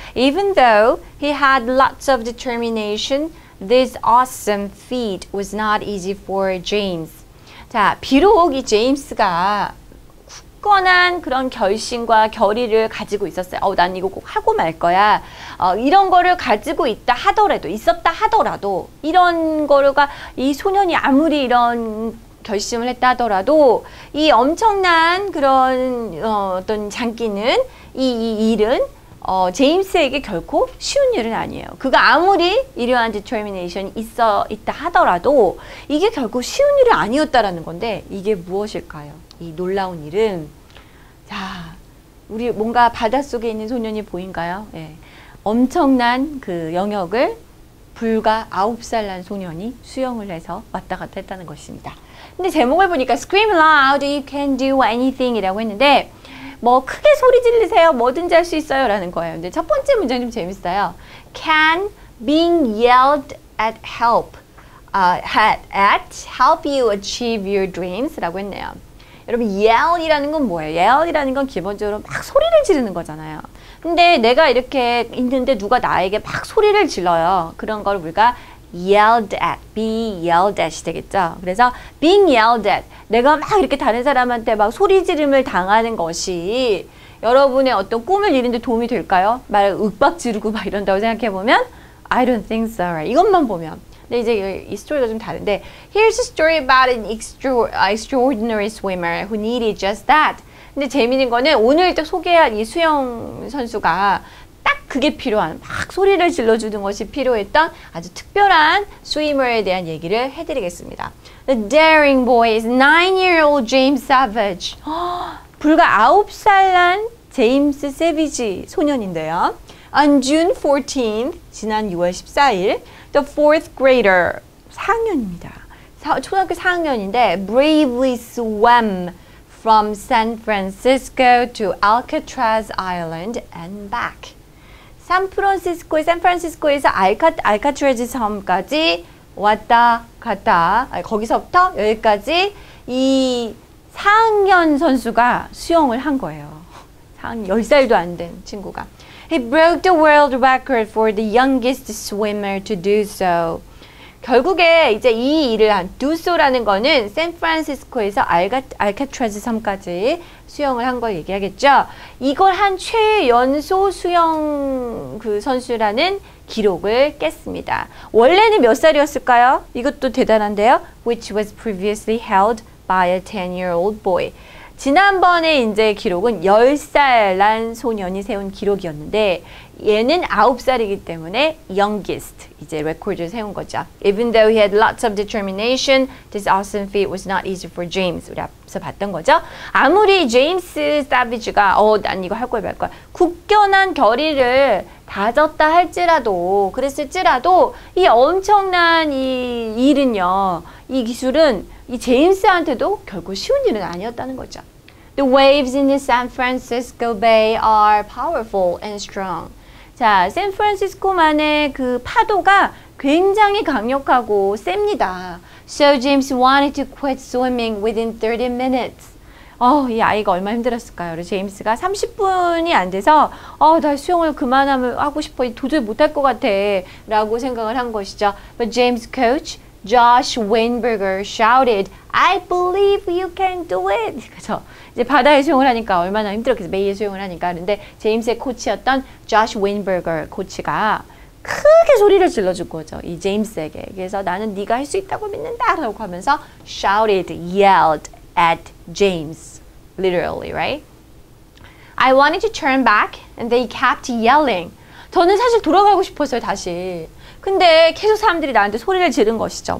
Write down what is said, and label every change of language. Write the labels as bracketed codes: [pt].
[en] Even though he had lots of determination, this awesome feat was not easy for James. [ko] 자, 비록 이 제임스가 굳건한 그런 결심과 결의를 가지고 있었어요. 난 이거 꼭 하고 말 거야. 이런 거를 가지고 있다 하더라도, 있었다 하더라도, 이런 거가 이 소년이 아무리 이런 결심을 했다 하더라도, 이 엄청난 그런 어떤 장기는, 이 일은, 제임스에게 결코 쉬운 일은 아니에요. 그가 아무리 이러한 determination이 있다 하더라도, 이게 결코 쉬운 일은 아니었다라는 건데, 이게 무엇일까요? 이 놀라운 일은, 자, 우리 뭔가 바닷속에 있는 소년이 보인가요? 예. 엄청난 그 영역을 불과 9살 난 소년이 수영을 해서 왔다 갔다 했다는 것입니다. 근데 제목을 보니까 [en] Scream loud, you can do anything [ko] 이라고 했는데, 뭐 크게 소리 지르세요, 뭐든지 할 수 있어요 라는 거예요. 근데 첫 번째 문장이 좀 재밌어요. [en] Can being yelled at help, help you achieve your dreams [ko] 라고 했네요. 여러분, yell이라는 건 뭐예요? yell이라는 건 기본적으로 막 소리를 지르는 거잖아요. 근데 내가 이렇게 있는데 누가 나에게 막 소리를 질러요. 그런 걸 우리가 yelled at, be yelled at이 되겠죠. 그래서 being yelled at, 내가 막 이렇게 다른 사람한테 막 소리 지름을 당하는 것이 여러분의 어떤 꿈을 이루는데 도움이 될까요? 막 윽박 지르고 막 이런다고 생각해보면 [en] I don't think so. [ko] 이것만 보면. 근데 이제 이 스토리가 좀 다른데 [en] Here's a story about an extraordinary swimmer who needed just that. [ko] 근데 재미있는 거는 오늘 또 소개한 이 수영 선수가 딱 그게 필요한, 막 소리를 질러주는 것이 필요했던 아주 특별한 스위머에 대한 얘기를 해드리겠습니다. [en] The daring boy is 9-year-old James Savage. [ko] 불과 9살 난 제임스 세비지 소년인데요. [en] On June 14th, [ko] 지난 6월 14일, [en] the fourth grader, [ko] 4학년입니다. 초등학교 4학년인데 [en] bravely swam from San Francisco to Alcatraz Island and back. [ko] 샌프란시스코에서 알카트라즈 섬까지 왔다 갔다, 거기서부터 여기까지 이 4학년 선수가 수영을 한 거예요. 10살도 안 된 친구가. [en] He broke the world record for the youngest swimmer to do so. [ko] 결국에 이제 이 일을 한 do so라는 거는 샌프란시스코에서 알카트라즈 섬까지 수영을 한걸 얘기하겠죠. 이걸 한 최연소 수영 그 선수라는 기록을 깼습니다. 원래는 몇 살이었을까요? 이것도 대단한데요. [en] Which was previously held by a 10-year-old boy. [ko] 지난번에 이제 기록은 10살 난 소년이 세운 기록이었는데 얘는 9살이기 때문에 youngest 이제 레코드를 세운 거죠. [en] Even though he had lots of determination, this awesome feat was not easy for James. [ko] 우리 앞서 봤던 거죠. 아무리 제임스 사비지가 난 이거 할 거야 말 거야 굳건한 결의를 다졌다 할지라도 그랬을지라도 이 엄청난 이 일은요, 이 기술은 이 제임스한테도 결코 쉬운 일은 아니었다는 거죠. [en] The waves in the San Francisco Bay are powerful and strong. [ko] 자, 샌프란시스코만의 그 파도가 굉장히 강력하고 셉니다. [en] So James wanted to quit swimming within 30 minutes. [ko] 이 아이가 얼마나 힘들었을까요? 우리 제임스가 30분이 안 돼서 나 수영을 그만하고 싶어. 도저히 못할 것 같아. 라고 생각을 한 것이죠. [en] But James' coach Josh Weinberger shouted, "I believe you can do it." [ko] 그래서 이제 바다에 수영을 하니까 얼마나 힘들었겠어. 매일 수영을 하니까. 그런데 제임스의 코치였던 Josh Weinberger 코치가 크게 소리를 질러준 거죠. 이 제임스에게. 그래서 나는 네가 할 수 있다고 믿는다. 라고 하면서 [en] shouted, yelled at James. Literally, right? I wanted to turn back and they kept yelling. [ko] 저는 사실 돌아가고 싶었어요, 다시. 근데 계속 사람들이 나한테 소리를 지른 것이죠.